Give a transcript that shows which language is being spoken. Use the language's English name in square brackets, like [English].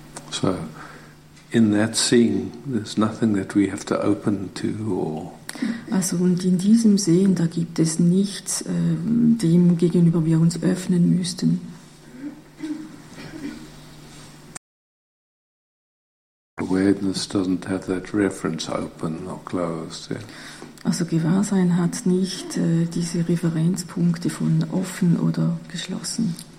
[English] So, in that seeing, there's nothing that we have to open to or. [German] Also und in diesem Sehen, da gibt es nichts, dem gegenüber wir uns öffnen müssten. [English] Awareness doesn't have that reference open or closed. Yeah. [German] Also Gewahrsein hat nicht diese Referenzpunkte von offen oder geschlossen.